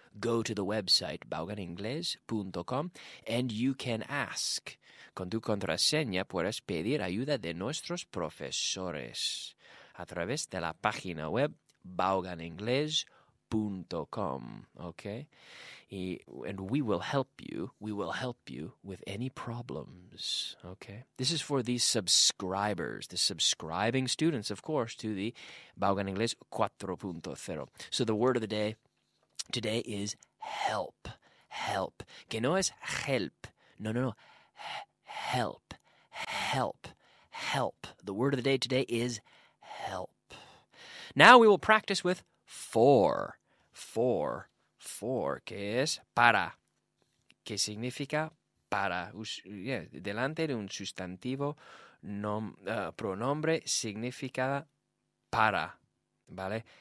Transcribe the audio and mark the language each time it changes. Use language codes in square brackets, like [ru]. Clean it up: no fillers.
[en] Go to the website bauganingles.com and you can ask. [es] Con tu contraseña puedes pedir ayuda de nuestros profesores a través de la página web bauganingles.com. [en] Okay? And we will help you. We will help you with any problems. Okay? This is for the subscribers, the subscribing students, of course, to the Baugan Inglés 4.0. So the word of the day today is help. Help. [es] Que no es [en] help. No. Help. Help. Help. The word of the day today is help. Now we will practice with four. [es] Four, que es para, que significa para, delante de un sustantivo, pronombre significa para, ¿vale?